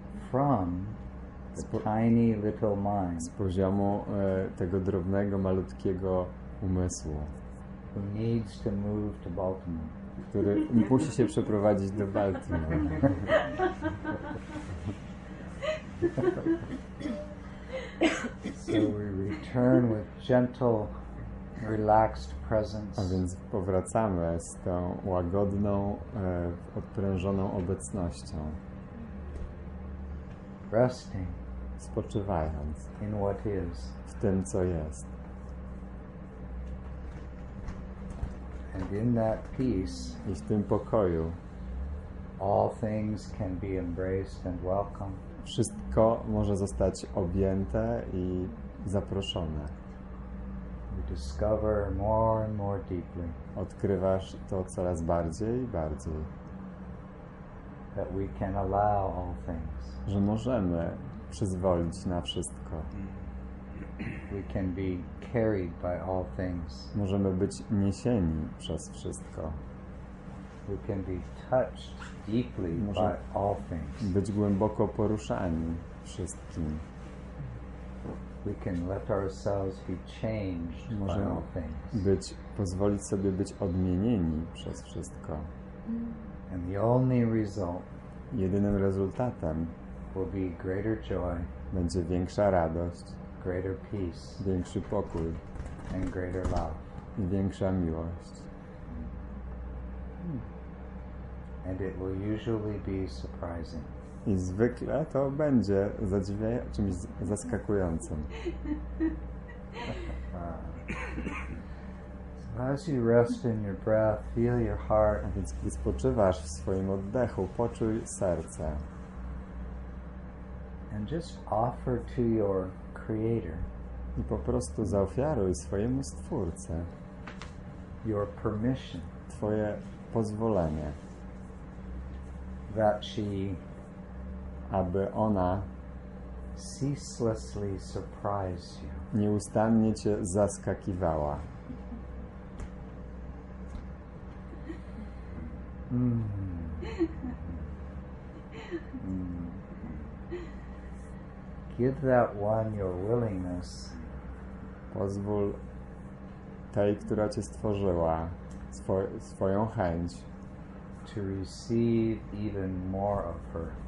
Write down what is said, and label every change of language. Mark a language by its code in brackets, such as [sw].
[en] From the tiny little mind. [pl] Z poziomu tego drobnego, malutkiego umysłu. [en] Who needs to move to Baltimore. [pl] Który musi się przeprowadzić do Baltimore. [en] So we return with gentle, relaxed presence. [pl] A więc powracamy z tą łagodną, odprężoną obecnością. [en] Resting. [pl] Spoczywając. [en] In what is. [pl] W tym, co jest. [en] And in that peace, [pl] i w tym pokoju, [en] all things can be embraced and welcomed. [pl] Wszystko może zostać objęte i zaproszone. [en] We discover more and more deeply. [pl] Odkrywasz to coraz bardziej i bardziej. [en] That we can allow all things. [pl] Że możemy przyzwolić na wszystko. [en] We can be carried by all things. [pl] Możemy być niesieni przez wszystko. [en] We can be touched deeply by all things. [pl] Być głęboko poruszani wszystkim. [en] We can let ourselves be changed by all things. [pl] Być, pozwolić sobie być odmienieni przez wszystko. [en] And the only result. [pl] Jedynym rezultatem. [en] Will be greater joy. [pl] Będzie większa radość. [en] Greater peace. [pl] Większy pokój. [en] And greater love. [pl] I większa miłość. [en] And it will usually be surprising. [pl] I zwykle to będzie czymś zaskakującym. [en] So as you rest in your breath, feel your heart. [pl] A więc gdy spoczywasz w swoim oddechu, poczuj serce. [en] And just offer to your creator. [pl] I po prostu zaofiaruj swojemu stwórcy. [en] Your permission. [pl] Twoje pozwolenie. [en] That she, [pl] aby ona, [en] ceaselessly surprise you, [pl] nieustannie cię zaskakiwała. [en] Give that one your willingness. [pl] Pozwól tej, która cię stworzyła, swoją chęć. [en] To receive even more of her.